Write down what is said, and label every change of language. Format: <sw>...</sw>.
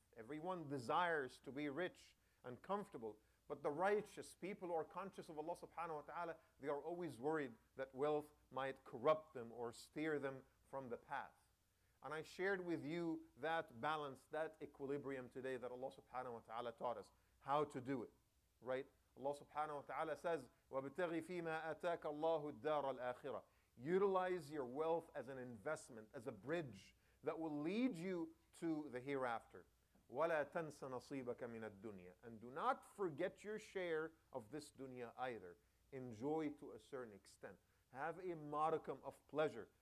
<en>Everyone desires to be rich and comfortable, but the righteous people who are conscious of Allah subhanahu wa ta'ala, they are always worried that wealth might corrupt them or steer them from the path. And I shared with you that balance, that equilibrium today that Allah subhanahu wa ta'ala taught us how to do it, right? Allah subhanahu wa ta'ala says,</en> <ar>وَابْتَغِ فِيمَا أَتَاكَ اللَّهُ الدَّارَ الْآخِرَةِ.</ar> <en>Utilize your wealth as an investment, as a bridge that will lead you to the hereafter.</en> <ar>وَلَا تَنْسَ نَصِيبَكَ مِنَ الدُّنْيَا.</ar> <en>And do not forget your share of this dunya either. Enjoy to a certain extent. Have a modicum of pleasure.</en>